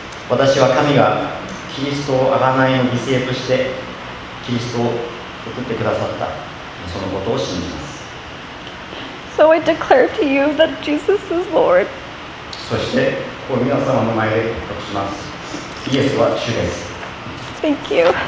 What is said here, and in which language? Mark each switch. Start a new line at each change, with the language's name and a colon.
Japanese: 私は神がキリストを贖いの犠牲としてキリストを送ってくださったそのことを信じます。
English: So I declare to you that Jesus is Lord.
Japanese: そしてここ皆様の前で告白します。イエスは主です。
English: Thank you.